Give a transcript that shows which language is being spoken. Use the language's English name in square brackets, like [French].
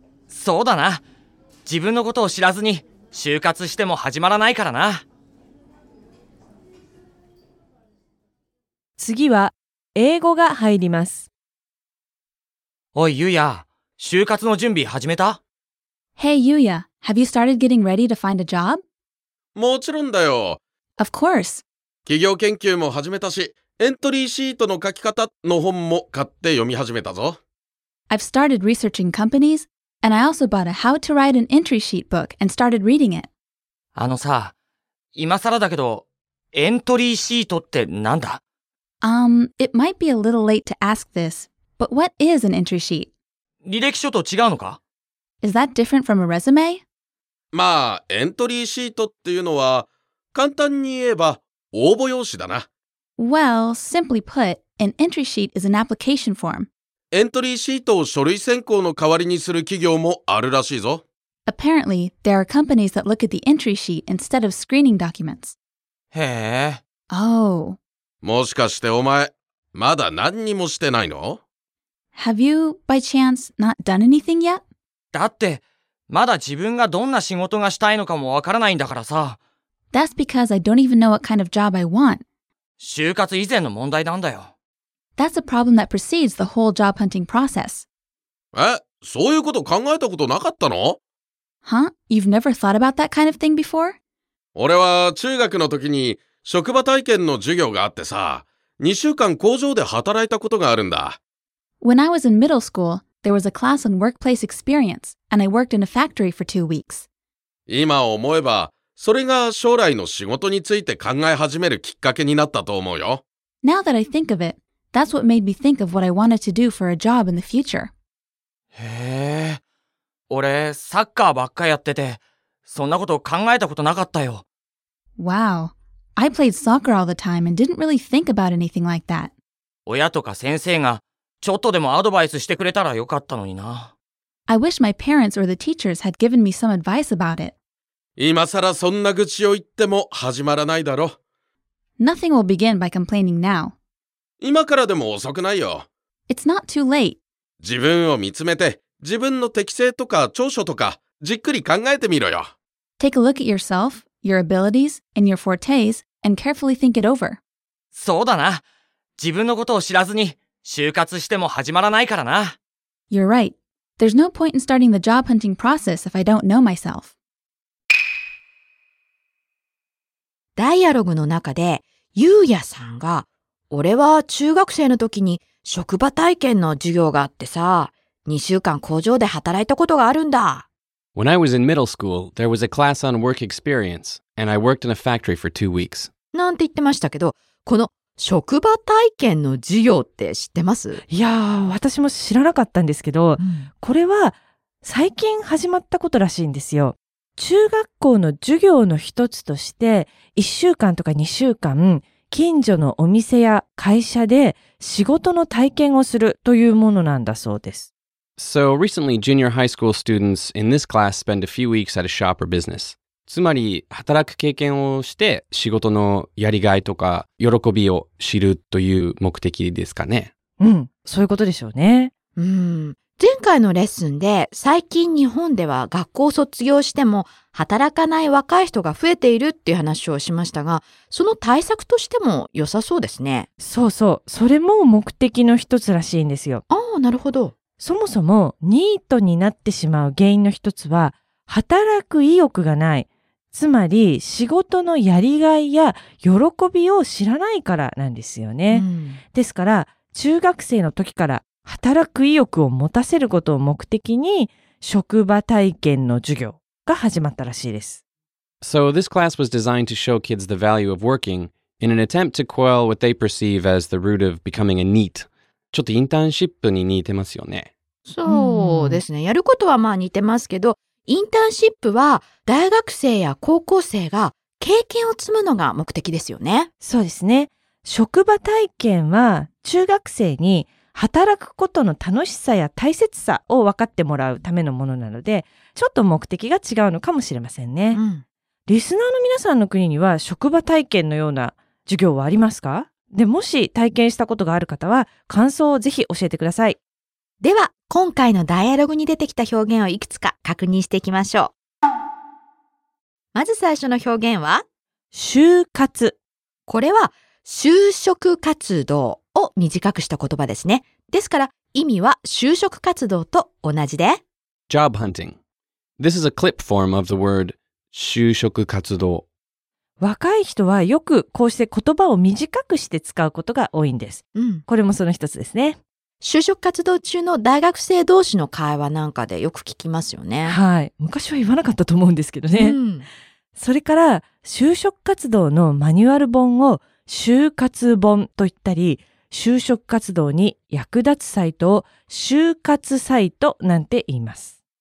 [Japanese] そうだな。自分のことを知らずに就活しても始まらないからな。次は英語が入ります。おい、ゆうや、就活の準備始めた? [English] Hey, Yuya, have you started getting ready to find a job? [Japanese] もちろんだよ。 [English] Of course. [Japanese] 企業研究も始めたし、エントリーシートの書き方の本も買って読み始めたぞ。 [English] I've started researching companies, and I also bought a How to Write an Entry Sheet book and started reading it. [Japanese] あのさ、今更だけど、エントリーシートってなんだ? [English] It might be a little late to ask this, but what is an entry sheet? [Japanese] 履歴書と違うのか? [English] Is that different from a resume? [Japanese] まあ、エントリーシートっていうのは、簡単に言えば、応募用紙だな。 [English] Well, simply put, an entry sheet is an application form. [Japanese] エントリーシートを書類選考の代わりにする企業もあるらしいぞ。 [English] Apparently, there are companies that look at the entry sheet instead of screening documents. [Japanese] へえ。 [English] Oh. [Japanese] もしかしてお前、まだ何にもしてないの? [English] Have you, by chance, not done anything yet? [Japanese] だって、まだ自分がどんな仕事がしたいのかもわからないんだからさ。 [English] That's because I don't even know what kind of job I want. [Japanese] 就活以前の問題なんだよ。 [English] That's a problem that precedes the whole job hunting process. [Japanese] え、そういうこと考えたことなかったの? [English] Huh? You've never thought about that kind of thing before? [Japanese] 俺は中学の時に職場体験の授業があってさ、2週間工場で働いたことがあるんだ。 [English] When I was in middle school, There was a class on workplace experience, and I worked in a factory for 2 weeks. [Japanese] 今思えば、それが将来の仕事について考え始めるきっかけになったと思うよ。 [English] Now that I think of it, that's what made me think of what I wanted to do for a job in the future. [Japanese] へえ、俺サッカーばっかやってて、そんなこと考えたことなかったよ。 [English] Wow, I played soccer all the time and didn't really think about anything like that. [Japanese] 親とか先生がちょっとでもアドバイスしてくれたらよかったのにな。 [English] I wish my parents or the teachers had given me some advice about it. [Japanese] 今さらそんな愚痴を言っても始まらないだろ。 [English] Nothing will begin by complaining now. [Japanese] 今からでも遅くないよ。 [English] It's not too late. [Japanese] 自分を見つめて、自分の適性とか長所とか、じっくり考えてみろよ。 [English] Take a look at yourself, your abilities, and your fortes, and carefully think it over. [Japanese] そうだな。自分のことを知らずに、就活しても始まらないからな。 [English] You're right. There's no point in starting the job hunting process if I don't know myself. [Japanese] ダイアログの中で、ゆうやさんが、俺は中学生の時に職場体験の授業があってさ、2週間工場で働いたことがあるんだ。 [English] When I was in middle school, there was a class on work experience, and I worked in a factory for 2 weeks. [Japanese] なんて言ってましたけど、この職場体験の授業って知ってます？いやー、私も知らなかったんですけど、うん、これは最近始まったことらしいんですよ。中学校の授業の一つとして、1週間とか2週間、近所のお店や会社で仕事の体験をするというものなんだそうです。 [English] So recently, junior high school students in this class spend a few weeks at a shop or business. [Japanese] つまり、働く経験をして仕事のやりがいとか喜びを知るという目的ですかね。うん、そういうことでしょうね。前回のレッスンで最近日本では学校を卒業しても働かない若い人が増えているっていう話をしましたが、その対策としても良さそうですね。そうそう、それも目的の一つらしいんですよ。ああ、なるほど。そもそもニートになってしまう原因の一つは働く意欲がない、つまり仕事のやりがいや喜びを知らないからなんですよね。ですから中学生の時から働く意欲を持たせることを目的に職場体験の授業が始まったらしいです。 [English] So this class was designed to show kids the value of working in an attempt to quell what they perceive as the root of becoming a neat. [Japanese] ちょっとインターンシップに似てますよね。そうですね。やることはまあ似てますけど、インターンシップは大学生や高校生が経験を積むのが目的ですよね。そうですね。職場体験は中学生に働くことの楽しさや大切さを分かってもらうためのものなので、ちょっと目的が違うのかもしれませんね。うん、リスナーの皆さんの国には職場体験のような授業はありますか？で、もし体験したことがある方は、感想をぜひ教えてください。では、今回のダイアログに出てきた表現をいくつか確認していきましょう。まず最初の表現は、就活。これは、就職活動。を短くした言葉ですね。ですから意味は就職活動と同じで [English] Job hunting. This is a clip form of the word 就職活動。 [Japanese] 若い人はよくこうして言葉を短くして使うことが多いんです。うん、これもその一つですね。就職活動中の大学生同士の会話なんかでよく聞きますよね。はい。昔は言わなかったと思うんですけどね。うん、それから就職活動のマニュアル本を就活本と言ったり、就職活動に役立つサイトを就活サイトなんて言います。